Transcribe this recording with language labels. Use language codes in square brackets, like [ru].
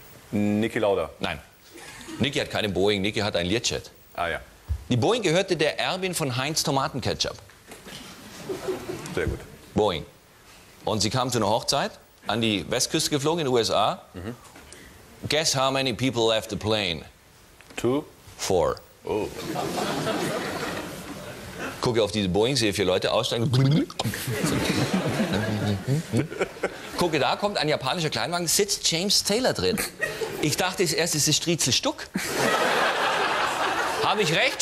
[de] Niki Lauda. Nein. Niki hat keine Boeing, Niki hat ein Learjet. Ah ja. Die Boeing gehörte der Erbin von Heinz Tomatenketchup. Sehr gut. Boeing. Und sie kam zu einer Hochzeit, an die Westküste geflogen in den USA. Mhm. [en] Guess how many people left the plane? [de] 2? 4. Oh. Gucke auf diese Boeing, sehe 4 Leute aussteigen. Gucke, da kommt ein japanischer Kleinwagen, sitzt James Taylor drin. Ich dachte erst, es ist Striezel Stuck. Habe ich recht?